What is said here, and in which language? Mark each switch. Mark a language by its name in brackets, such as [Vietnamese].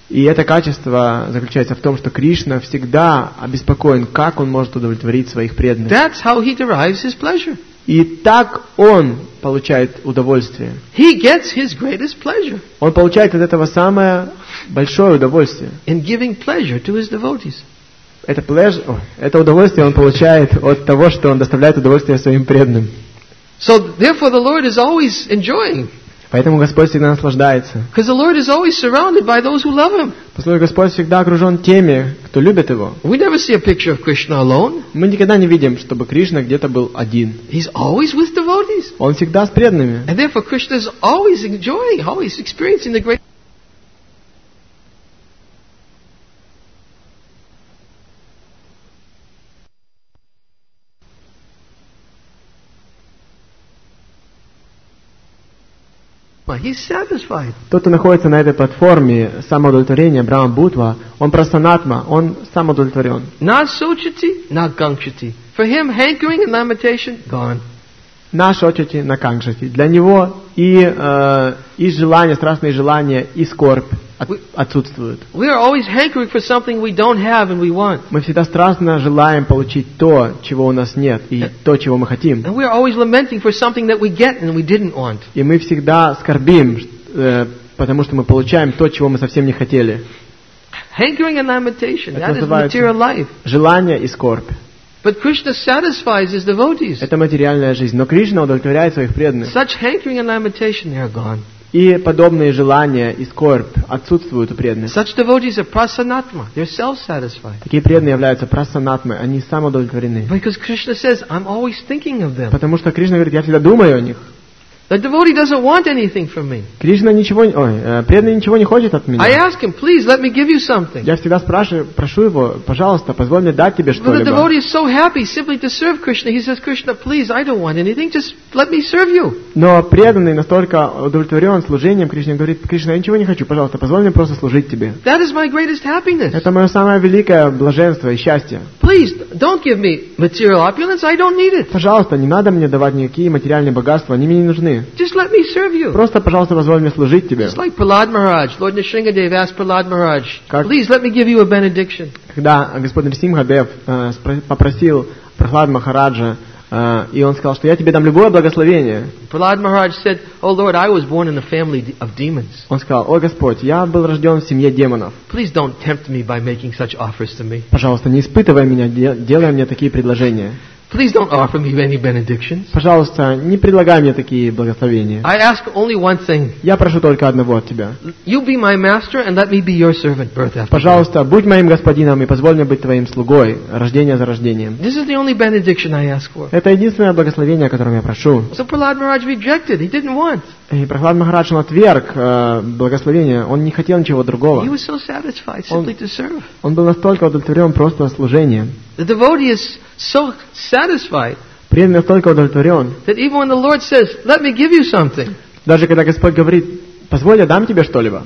[Russian] И это качество заключается в том, что Кришна всегда обеспокоен, как он может удовлетворить своих преданных. [English] That's how he derives his pleasure. [Russian] И так он получает удовольствие. [English] He gets his greatest pleasure. [Russian] Он получает от этого самое большое удовольствие. [English] In giving pleasure to his devotees. [Russian] Это удовольствие он получает от того, что он доставляет удовольствие своим преданным. [English] So therefore the Lord is always enjoying. [Russian] Поэтому Господь всегда наслаждается. [English] Because the Lord is always surrounded by those who love him. [Russian] Поскольку Господь всегда окружен теми, кто любит его. [English] We never see a picture of Krishna alone. [Russian] Мы никогда не видим, чтобы Кришна где-то был один. [English] He's always with devotees. [Russian] Он всегда с преданными. [English] And therefore Krishna is always enjoying, always experiencing the great. He's satisfied. [Russian] Тот, кто находится на этой платформе самоудовлетворения, Брахма Бутва, он прасанатма, он самоудовлетворен. [Sanskrit] Na сочити, на кангшити. [English] For him, hankering and lamentation gone. [Sanskrit] На сочити, на кангшити. [Russian] Для него и желания, страстные желания, и скорбь отсутствуют. [English] We are always hankering for something we don't have and we want. [Russian] Мы всегда страстно желаем получить то, чего у нас нет, и то, чего мы хотим. [English] And we are always lamenting for something that we get and we didn't want. [Russian] И мы всегда скорбим, потому что мы получаем то, чего мы совсем не хотели. [English] Hankering and lamentation, that is material life. [Russian] Желание и скорбь. [English] But Krishna satisfies his devotees. [Russian] Это материальная жизнь, но Кришна удовлетворяет своих преданных. [English] Such hankering and lamentation, they are gone. [Russian] И подобные желания и скорбь отсутствуют у преданных. [English] Such devotees are prasanatma, they're self-satisfied. [Russian] Такие преданные являются прасанатмы, они самоудовлетворены. [English] Because Krishna says, I'm always thinking of them. [Russian] Потому что Кришна говорит, я всегда думаю о них. [English] The devotee doesn't want anything from me. [Russian] Кришна ничего, преданный ничего не хочет от меня. [English] I ask him, please let me give you something. [Russian] Я всегда спрашиваю, прошу его, пожалуйста, позволь мне дать тебе что-либо. [English] The devotee is so happy simply to serve Krishna. He says, Krishna, please, I don't want anything. Just let me serve you. [Russian] Но преданный настолько удовлетворен служением Кришне, говорит, Кришна, я ничего не хочу, пожалуйста, позволь мне просто служить тебе. [English] That is my greatest happiness. [Russian] Это мое самое великое блаженство и счастье. [English] Please don't give me material opulence. I don't need it. [Russian] Пожалуйста, не надо мне давать никакие материальные богатства, они мне не нужны. [English] Just let me serve you. [Russian] Просто, пожалуйста, позволь мне служить тебе. [English] Just like Prahlad Maharaj, Lord Nrisimhadev asked Prahlad Maharaj, please let me give you a benediction. [Russian] Когда господин Нрисимхадев попросил Прахлад Махараджа, и он сказал, что я тебе дам любое благословение. [English] Prahlad Maharaj said, "Oh Lord, I was born in a family of demons." [Russian] Он сказал, о Господь, я был рожден в семье демонов. [English] Please don't tempt me by making such offers to me. [Russian] Пожалуйста, не испытывай меня, делай мне такие предложения. [English] Please don't offer me any benedictions. [Russian] Пожалуйста, не предлагай мне такие благословения. [English] I ask only one thing. [Russian] Я прошу только одного от тебя. [English] You be my master and let me be your servant birth after. [Russian] Пожалуйста, будь моим господином и позволь мне быть твоим слугой, рождение за рождением. [English] This is the only benediction I ask for. [Russian] Это единственное благословение, о котором я прошу. [English] So Prahlad Maharaj rejected. He didn't want. [Russian] И Прахлад Махарадж отверг благословение. Он не хотел ничего другого. [English] He was so satisfied simply to serve. [Russian] Он был настолько удовлетворен просто служением. [English] The devotee is so satisfied. [Russian] Преданный настолько удовлетворен. [English] That even when the Lord says, "Let me give you something." [Russian] Даже когда Господь говорит, позволь, я дам тебе что-либо.